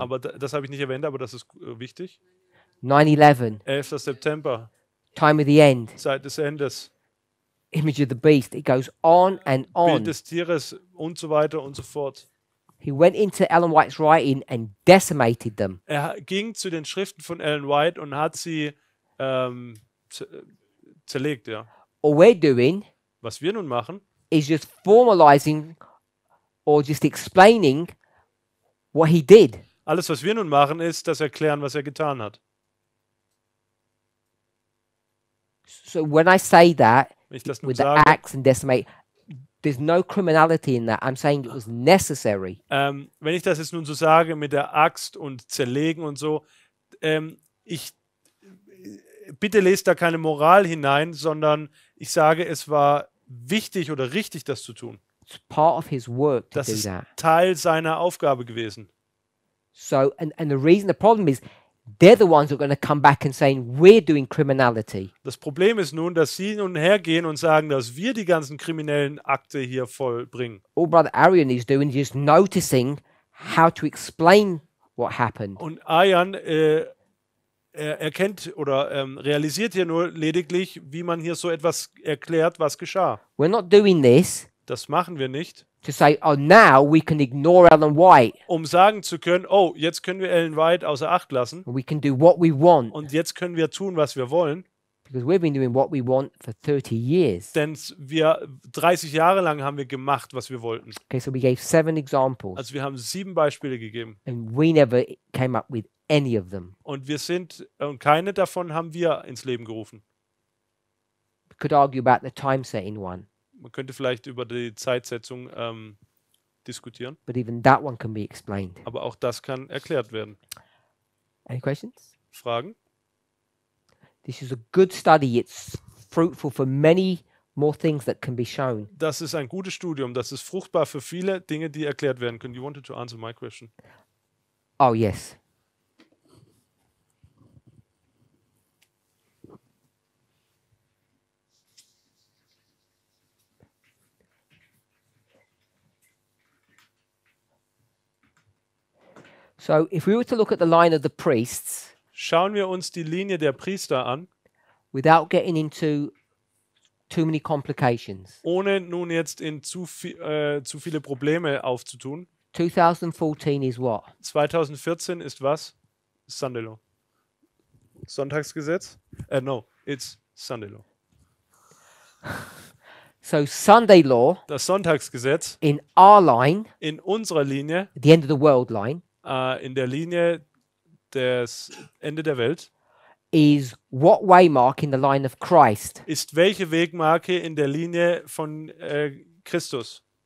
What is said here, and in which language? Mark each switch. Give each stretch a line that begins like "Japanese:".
German: Aber das habe ich nicht erwähnt, aber das ist wichtig.
English: 9/11.
German: 11. September.
English: Time of the end.
German: Zeit des Endes.
English: Image of the beast. It goes on and on.
German: Bild des Tieres und so weiter und so fort.
English: He went into Ellen White's writing and decimated them.
German: Er ging zu den Schriften von Ellen White und hat sie zerlegt, ja.
English: All we're doing,
German: was wir nun machen,
English: is just formalizing or just explaining what he did.
German: Alles, was wir nun machen, ist das Erklären, was er getan hat.
English: So when I say that,
German: ich das nur
English: with
German: sage,
English: the axe and decimate, there's no criminality in that. I'm saying it was necessary.
German: Wenn ich das jetzt nun so sage mit der Axt und zerlegen und so, ich bitte lest da keine Moral hinein, sondern ich sage, es war wichtig oder richtig, das zu tun.
English: It's part of his work to
German: das
English: do that.
German: Ist Teil seiner Aufgabe gewesen.
English: So and the reason, the problem is, they're the ones who are going to come back and saying we're doing criminality.
German: Das Problem ist nun, dass sie nun hergehen und sagen, dass wir die ganzen kriminellen Akte hier vollbringen.
English: All Brother Arian is doing is noticing how to explain what happened.
German: Und Arian erkennt oder realisiert hier nur lediglich, wie man hier so etwas erklärt, was geschah.
English: We're not doing this.
German: Das machen wir nicht.
English: To say, oh, now we can ignore Ellen White.
German: Um sagen zu können, oh, jetzt können wir Ellen White außer Acht lassen.
English: We can do what we want.
German: Und jetzt können wir tun, was wir wollen.
English: Because we've been doing what we want for 30 years.
German: Denn wir 30 Jahre lang haben wir gemacht, was wir wollten.
English: Okay, so we gave seven examples.
German: Also wir haben sieben Beispiele gegeben.
English: And we never came up with any of them.
German: Und wir sind und keine davon haben wir ins Leben gerufen.
English: We could argue about the time setting one.
German: Man könnte vielleicht über die Zeitsetzung diskutieren.
English: But even that one can be explained.
German: Aber auch das kann erklärt werden.
English: Any questions?
German: Fragen?
English: This is a good study. It's fruitful for many more things that can be shown.
German: Das ist ein gutes Studium. Das ist fruchtbar für viele Dinge, die erklärt werden können.
English: You wanted to answer my question? Oh, yes. So if we were to look at the line of the priests,
German: schauen wir uns die Linie der Priester an,
English: without getting into too many complications.
German: Ohne nun jetzt in zu viele Probleme aufzutun.
English: 2014 is what?
German: 2014 ist was?
English: Sunday law.
German: Sonntagsgesetz?
English: No, it's Sunday law. So Sunday law,
German: das Sonntagsgesetz,
English: in our line,
German: in unserer Linie,
English: the end of the world line,
German: in der Linie des Ende der Welt,
English: is what waymark in the line of Christ,
German: ist welche Wegmarke in der Linie von Christus?